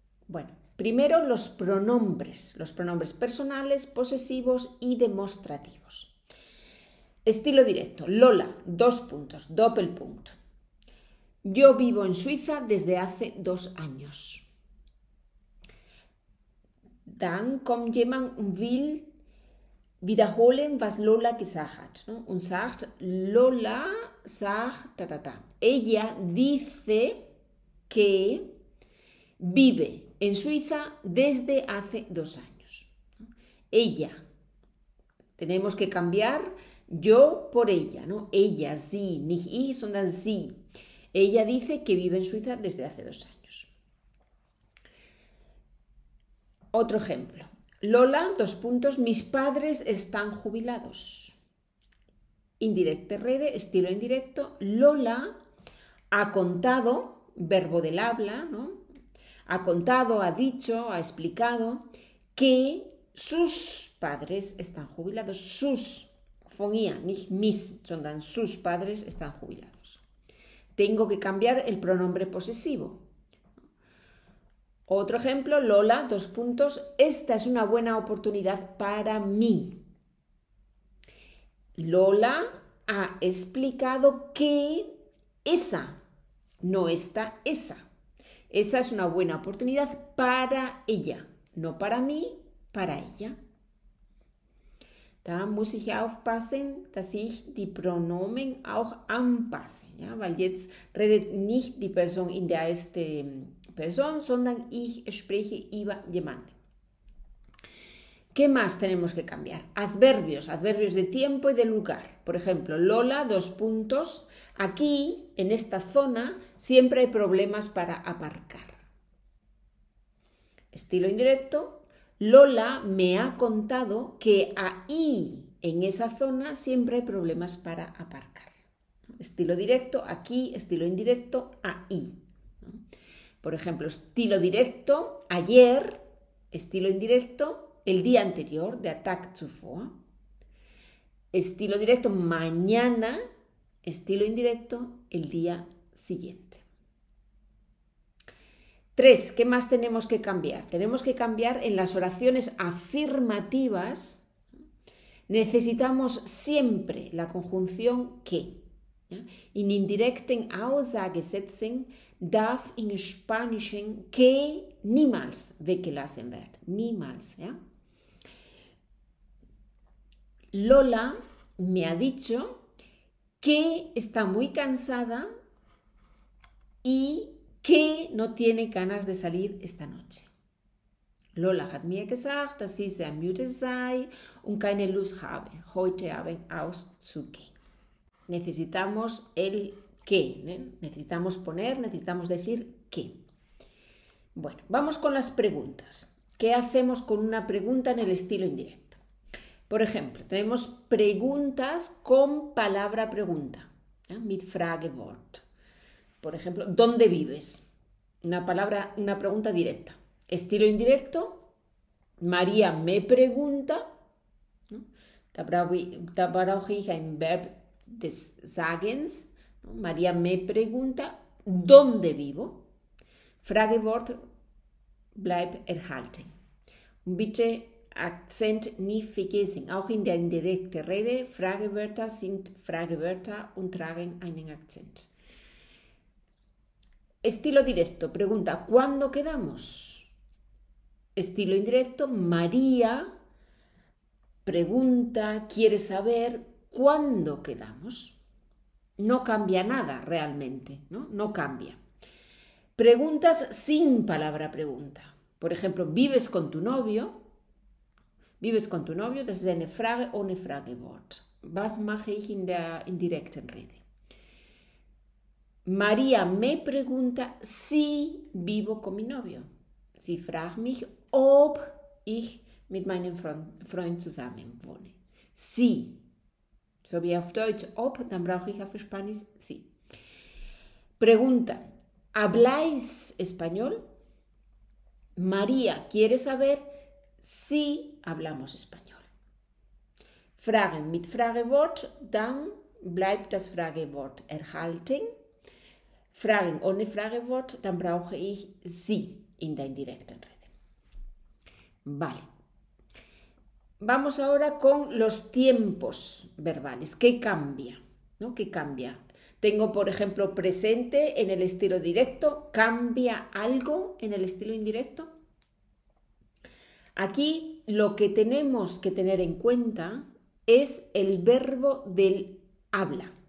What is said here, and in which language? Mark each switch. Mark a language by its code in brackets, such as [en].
[es] Bueno, primero los pronombres personales, posesivos y demostrativos. Estilo directo, Lola, dos puntos, doppelpunkt. Yo vivo en Suiza desde hace 2 años. [de] Dann kommt jemand und will wiederholen, was Lola gesagt hat. ¿No? Und sagt, Lola sagt, ta, ta, ta. [es] Ella dice que vive en Suiza desde hace 2 años. ¿No? Ella. Tenemos que cambiar yo por ella. ¿No? [de] Ella, sie, nicht ich, sondern sie. [es] Ella dice que vive en Suiza desde hace 2 años. Otro ejemplo. Lola, dos puntos. Mis padres están jubilados. [de] Indirecte rede, [es] estilo indirecto. Lola ha contado, verbo del habla, ¿no? Ha contado, ha dicho, ha explicado que sus padres están jubilados. Sus, phonía, [de] nicht [es] mis, [de] sondern [es] sus padres están jubilados. Tengo que cambiar el pronombre posesivo. Otro ejemplo, Lola, dos puntos. Esta es una buena oportunidad para mí. Lola ha explicado que esa, no esta, esa. Esa es una buena oportunidad para ella, no para mí, para ella. [de] Da muss ich aufpassen, dass ich die Pronomen auch anpasse. Ja? Weil jetzt redet nicht die Person in der ersten Person, sondern ich spreche über jemanden. [es] ¿Qué más tenemos que cambiar? Adverbios, adverbios de tiempo y de lugar. Por ejemplo, Lola, dos puntos. Aquí, en esta zona, siempre hay problemas para aparcar. Estilo indirecto. Lola me ha contado que ahí, en esa zona, siempre hay problemas para aparcar. Estilo directo, aquí, estilo indirecto, ahí. Por ejemplo, estilo directo, ayer, estilo indirecto, el día anterior, [de] der Tag zuvor. [es] Estilo directo mañana, estilo indirecto el día siguiente. 3. ¿Qué más tenemos que cambiar? Tenemos que cambiar en las oraciones afirmativas. Necesitamos siempre la conjunción que. [de] In indirekten Aussagesätzen darf in Spanischen que niemals weggelassen werden. Niemals. Ja? [es] Lola me ha dicho que está muy cansada y que no tiene ganas de salir esta noche. [de] Lola hat mir gesagt, dass sie sehr müde sei und keine Lust habe, heute Abend auszugehen. [es] Necesitamos el qué, ¿eh? Necesitamos poner, necesitamos decir qué. Bueno, vamos con las preguntas. ¿Qué hacemos con una pregunta en el estilo indirecto? Por ejemplo, tenemos preguntas con palabra pregunta, ¿eh? [de] Mit Fragewort. [es] Por ejemplo, ¿dónde vives? Una pregunta directa. Estilo indirecto, María me pregunta, ¿no? [de] Da brauche ich ein Verb des Sagens, ¿no? [es] María me pregunta, ¿dónde vivo? [de] Fragewort bleibt erhalten. Un bitte Akzent nicht vergessen. Auch in der indirekten Rede, Fragewörter sind Fragewörter und tragen einen Akzent. [es] Estilo directo, pregunta, ¿cuándo quedamos? Estilo indirecto, María pregunta, quiere saber cuándo quedamos. No cambia nada realmente, ¿no? No cambia. Preguntas sin palabra pregunta. Por ejemplo, ¿vives con tu novio? ¿Vives con tu novio? [de] Das ist eine Frage ohne Fragewort. Was mache ich in der indirekten Rede? [es] María me pregunta si vivo con mi novio. [de] Sie fragt mich, ob ich mit meinem Freund zusammen wohne. Sí. So wie auf Deutsch ob, dann brauche ich auf Spanisch sí. [es] Pregunta. ¿Habláis español? María quiere saber si hablamos español. [de] Fragen mit Fragewort, dann bleibt das Fragewort erhalten. Fragen ohne Fragewort, dann brauche ich sí in der indirekten Rede. [es] Vale, vamos ahora con los tiempos verbales. ¿Qué cambia? ¿No? ¿Qué cambia? Tengo, por ejemplo, presente en el estilo directo. ¿Cambia algo en el estilo indirecto? Aquí lo que tenemos que tener en cuenta es el verbo del habla.